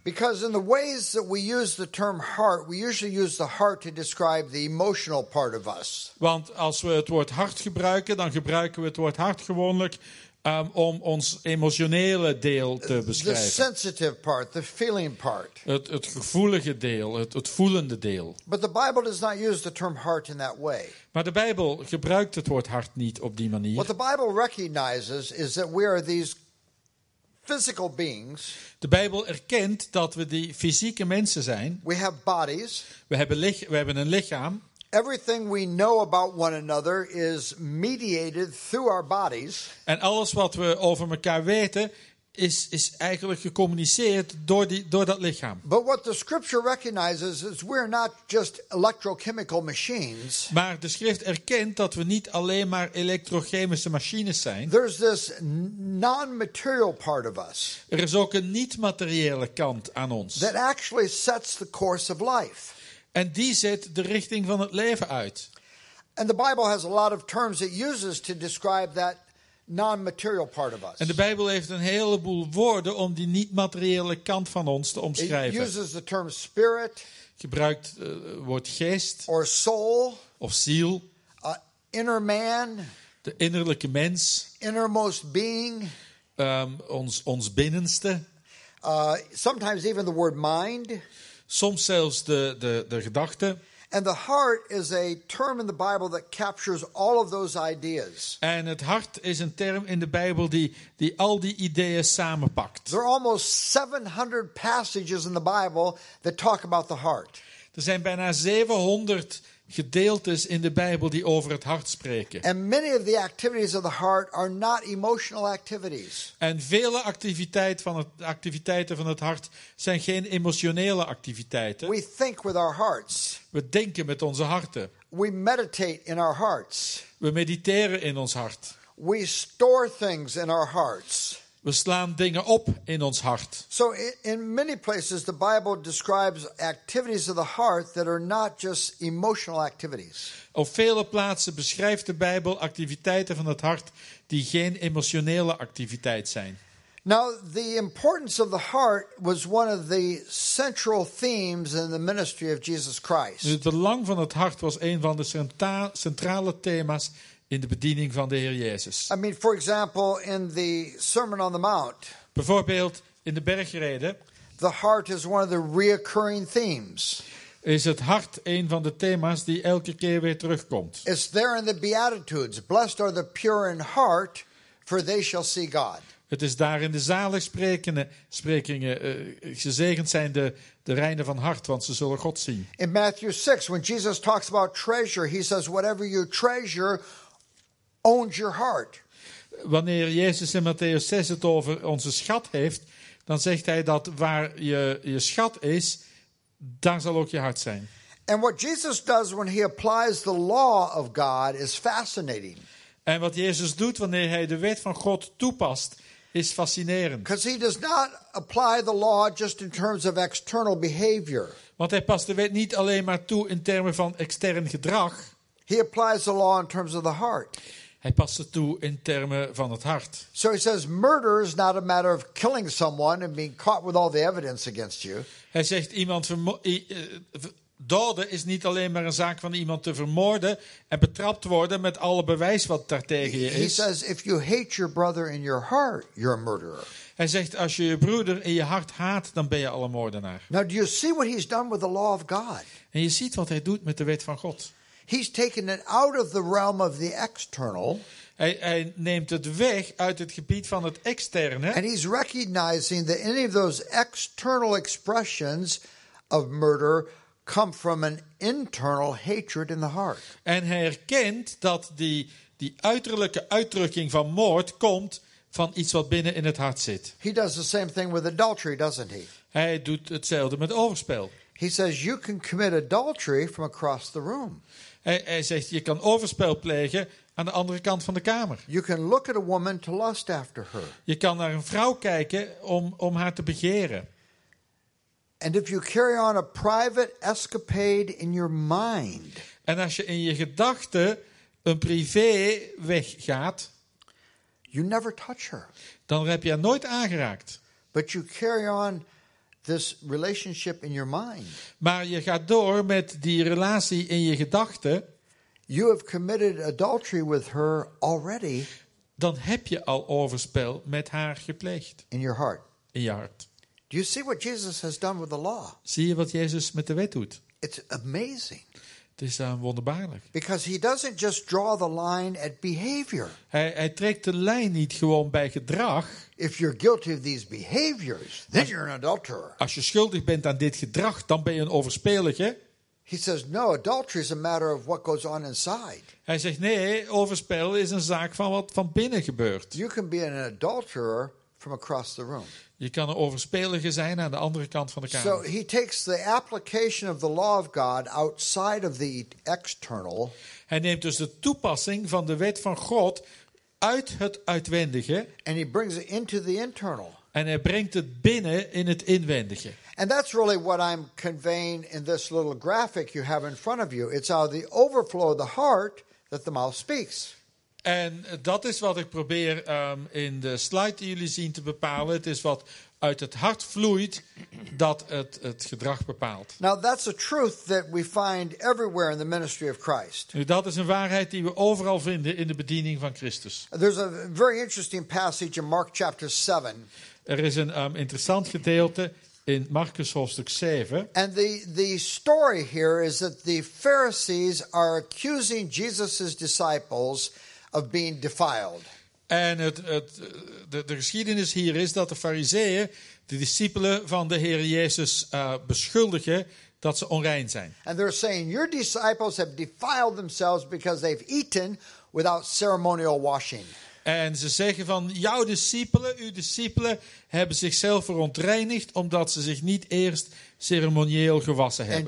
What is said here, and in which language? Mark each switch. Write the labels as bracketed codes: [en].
[en] Because in the ways that we use the term heart, we usually use the heart to describe the emotional part of us. [nl] Want als we het woord hart gebruiken, dan gebruiken we het woord hart gewoonlijk om ons emotionele deel te beschrijven. [en] The sensitive part, the feeling part. [nl] Het gevoelige deel, het voelende deel. [en] But the Bible does not use the term heart in that way. [nl] Maar de Bijbel gebruikt het woord hart niet op die manier. [en] What the Bible recognizes is that we are these physical beings. [nl] De Bijbel erkent dat we die fysieke mensen zijn. [en] We have bodies. [nl] We hebben een lichaam. [en] Everything we know about one another is mediated through our bodies. [nl] En alles wat we over elkaar weten is eigenlijk gecommuniceerd door dat lichaam. [en] But what the scripture recognizes is we're not just electrochemical machines. [nl] Maar de schrift erkent dat we niet alleen maar elektrochemische machines zijn. [en] There's this non-material part of us. [nl] Er is ook een niet-materiële kant aan ons. [en] That actually sets the course of life. [nl] En die zet de richting van het leven uit. [en] And the Bible has a lot of terms it uses to describe that non-material part of us. [nl] En de Bijbel heeft een heleboel woorden om die niet-materiële kant van ons te omschrijven. [en] It uses the term spirit. [nl] Gebruikt woord geest. [en] Or soul. [nl] Of ziel. [en] Inner man. [nl] De innerlijke mens. [en] Innermost being. [nl] Ons binnenste. [en] Sometimes even the word mind. [nl] Soms zelfs de gedachte. [en] And the heart is a term in the Bible that captures all of those ideas. [nl] En het hart is een term in de Bijbel die al die ideeën samenpakt. [en] There are almost 700 passages in the Bible that talk about the heart. [nl] Er zijn bijna 700 gedeeltes in de Bijbel die over het hart spreken. [en] And many of the activities of the heart are not emotional activities. [nl] En vele activiteiten van het hart zijn geen emotionele activiteiten. [en] We think with our hearts. [nl] We denken met onze harten. [en] We meditate in our hearts. [nl] We mediteren in ons hart. [en] We store things in our hearts. [nl] We slaan dingen op in ons hart. [en] So in many places the Bible describes activities of the heart that are not just emotional activities. [nl] Op vele plaatsen beschrijft de Bijbel activiteiten van het hart die geen emotionele activiteit zijn. [en] Now the importance of the heart was one of the central themes in the ministry of Jesus Christ. [nl] Het belang van het hart was een van de centrale thema's in de bediening van de Heer Jezus. [en] I mean, for example, in the Sermon on the Mount. [nl] Bijvoorbeeld in de bergrede. [en] The heart is one of the recurring themes. [nl] Is het hart een van de thema's die elke keer weer terugkomt? [en] It's there in the Beatitudes. Blessed are the pure in heart, for they shall see God. [nl] Het is daar in de zaligsprekingen. Gezegend zijn de reinen van hart, want ze zullen God zien. [en] In Matthew 6, when Jesus talks about treasure, he says, whatever you treasure owns your heart. [nl] Wanneer Jezus in Matthäus 6 het over onze schat heeft, dan zegt hij dat waar je schat is, daar zal ook je hart zijn. [en] And what Jesus does when he applies the law of God is fascinating. [nl] En wat Jezus doet wanneer hij de wet van God toepast, is fascinerend. [en] Because he does not apply the law just in terms of external behavior. [nl] Want hij past de wet niet alleen maar toe in termen van extern gedrag. [en] He applies the law in terms of the heart. [nl] Hij past het toe in termen van het hart. [en] So he says, murder is not a matter of killing someone and being caught with all the evidence against you. [nl] Hij zegt iemand doden is niet alleen maar een zaak van iemand te vermoorden en betrapt worden met alle bewijs wat daartegen je is. [en] He says, if you hate your brother in your heart, you're a murderer. [nl] Hij zegt als je broeder in je hart haat, dan ben je al een moordenaar. [en] Now do you see what he's done with the law of God? [nl] En je ziet wat hij doet met de wet van God. [en] He's taken it out of the realm of the external. [nl] Hij neemt het weg uit het gebied van het externe. [en] And he's recognizing that any of those external expressions of murder come from an internal hatred in the heart. [nl] En hij erkent dat die uiterlijke uitdrukking van moord komt van iets wat binnen in het hart zit. [en] He does the same thing with adultery, doesn't he? [nl] Hij doet hetzelfde met overspel. [en] He says you can commit adultery from across the room. [nl] Hij zegt, je kan overspel plegen aan de andere kant van de kamer. [en] You can look at a woman to lust after her. [nl] Je kan naar een vrouw kijken om haar te begeren. [en] And if you carry on a private escapade in your mind. [nl] En als je in je gedachten een privé weggaat, [en] you never touch her. [nl] Dan heb je haar nooit aangeraakt. [en] But you carry on this relationship in your mind. [nl] Maar je gaat door met die relatie in je gedachten. [en] You have committed adultery with her already. [nl] Dan heb je al overspel met haar gepleegd. [en] In your heart. [nl] In je hart. [en] Do you see what Jesus has done with the law? [nl] Zie je wat Jezus met de wet doet? [en] It's amazing. [nl] Het is wonderbaarlijk. [en] Because he doesn't just draw the line at behavior. [nl] Hij trekt de lijn niet gewoon bij gedrag. [en] If you're guilty of these behaviors, then you're an adulterer. [nl] Als je schuldig bent aan dit gedrag, dan ben je een overspelige. [en] He says no, adultery is a matter of what goes on inside. [nl] Hij zegt nee, overspel is een zaak van wat van binnen gebeurt. [en] You can be an adulterer from across the room. [nl] Je kan een overspelige zijn aan de andere kant van de kamer. [en] So he takes the application of the law of God outside of the external. [nl] Hij neemt dus de toepassing van de wet van God uit het uitwendige. [en] And he brings it into the internal. [nl] En hij brengt het binnen in het inwendige. [en] And that's really what I'm conveying in this little graphic you have in front of you. It's out of the overflow of the heart that the mouth speaks. [nl] En dat is wat ik probeer in de slide die jullie zien te bepalen. Het is wat uit het hart vloeit dat het gedrag bepaalt. [en] Now that's a truth that we find everywhere in the ministry of Christ. [nl] Nu, dat is een waarheid die we overal vinden in de bediening van Christus. [en] There's a very interesting passage in Mark chapter 7. [nl] Er is een interessant gedeelte in Markus hoofdstuk 7. [en] And the story here is that the Pharisees are accusing Jesus's disciples of being defiled. [nl] En de geschiedenis hier is dat de Farizeeën de discipelen van de Heer Jezus beschuldigen dat ze onrein zijn. [en] And they're saying your disciples have defiled themselves because they've eaten without ceremonial washing. [nl] En ze zeggen van jouw discipelen, uw discipelen hebben zichzelf verontreinigd omdat ze zich niet eerst ceremonieel gewassen hebben.